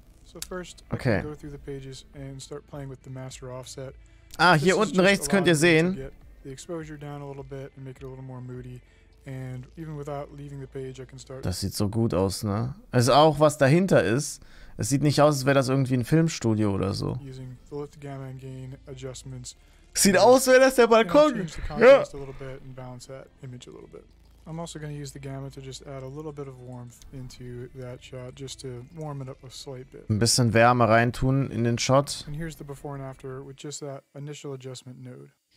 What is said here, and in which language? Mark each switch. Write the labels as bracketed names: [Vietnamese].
[English] So first, okay. I can go through the pages and start playing with the master offset. [German] Ah, hier unten rechts könnt ihr sehen. [English] The exposure down a little bit and make it a little more moody. And even without leaving the page, I can start. [German] Das sieht so gut aus, ne? Es ist auch, was dahinter ist. Es sieht nicht aus, als wäre das irgendwie ein Filmstudio oder so. [English] Using the lift, gamma and gain adjustments. [German] Sieht aus, wäre das der Balkon. Ja. [English] A little bit and balance that image a little bit. I'm also going to use the gamma to just add a little bit of warmth into that shot, just to warm it up a slight bit. [German] Ein bisschen Wärme reintun in den Shot. [English] And here's the before and after with just that initial adjustment node.